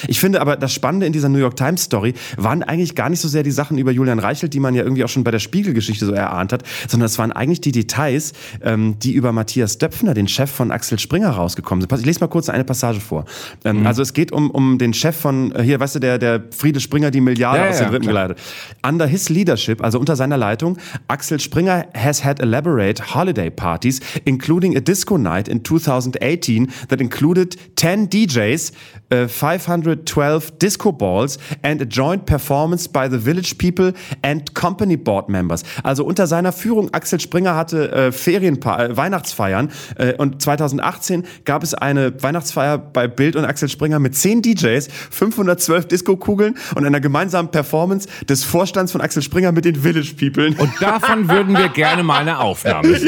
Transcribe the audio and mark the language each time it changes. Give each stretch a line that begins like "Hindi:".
German: Ich finde aber, das Spannende in dieser New York Times Story waren eigentlich gar nicht so sehr die Sachen über Julian Reichelt, die man ja irgendwie auch schon bei der Spiegelgeschichte so erahnt hat, sondern es waren eigentlich die Details, die über Matthias Döpfner, den Chef von Axel Springer, rausgekommen sind. Ich lese mal kurz eine Passage vor. Also es geht um den Chef von, hier, weißt du, der Friede Springer, die Milliarde aus den Rippen geleitet.
English: Under his leadership,
German: also unter seiner Leitung,
English: Axel Springer has had elaborate holiday parties, including a disco night in 2018 that included 10 DJs, 512 disco balls and a joint performance by the village people and company board members.
German: Also unter seiner Führung, Axel Springer hatte Weihnachtsfeiern und 2018 gab es eine Weihnachtsfeier bei Bild und Axel Springer mit 10 DJs, 512 Disco-Kugeln und einer gemeinsamen Performance des Vorstands von Axel Springer mit den Village People. Und davon würden wir gerne mal eine Aufnahme sehen.